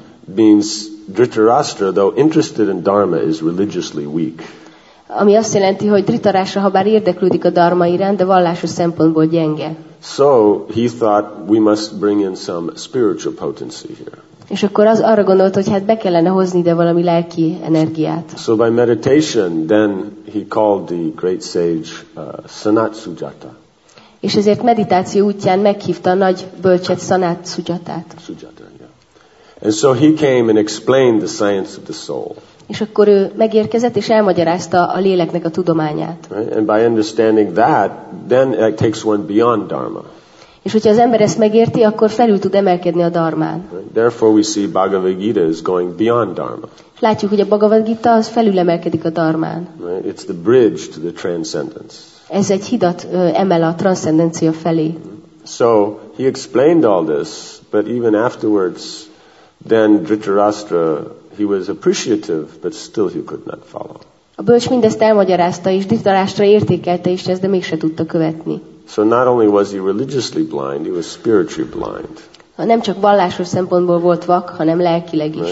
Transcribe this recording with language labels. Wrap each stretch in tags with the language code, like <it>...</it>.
<en>Means Dhritarashtra, though interested in dharma, is religiously weak.</en> <hu>Ami azt jelenti, hogy Dhritarashtra, ha bár érdeklődik a dharma iránt, de vallásos szempontból gyenge.</hu> <en>So he thought we must bring in some spiritual potency here.</en> <hu>És akkor az arra gondolt, hogy hát be kellene hozni ide valami lelki energiát.</hu> <en>So by meditation, then he called the great sage Sanat Sujata.</en> <hu>És ezért meditáció útján meghívta a nagy bölcset Sanat Sujatát.</hu> <en>Sujata, yeah. And so he came and explained the science of the soul.</en> <hu>És akkor ő megérkezett és elmagyarázta a léleknek a tudományát.</hu> <en>And by understanding that, then it takes one beyond dharma.</en> <hu>És hogyha az ember ezt megérti, akkor felül tud emelkedni a dharmán.</hu> <en>Therefore we see Bhagavad Gita is going beyond dharma.</en> <hu>Látjuk, hogy a Bhagavad Gita az felül emelkedik a dharmán.</hu> <en>It's the bridge to the transcendence.</en> <hu>Ez egy hidat emel a transzcendencia felé.</hu> <en>So he explained all this, but even afterwards, then Dhritarashtra, he was appreciative, but still he could not follow.</en> <hu>A bölcs mindezt elmagyarázta, és Dhritarashtra értékelte is ezt, de mégse tudta követni.</hu> <en>So not only was he religiously blind, he was spiritually blind.</en> <hu>Nem csak vallásos szempontból volt vak, hanem lelkileg is.</hu>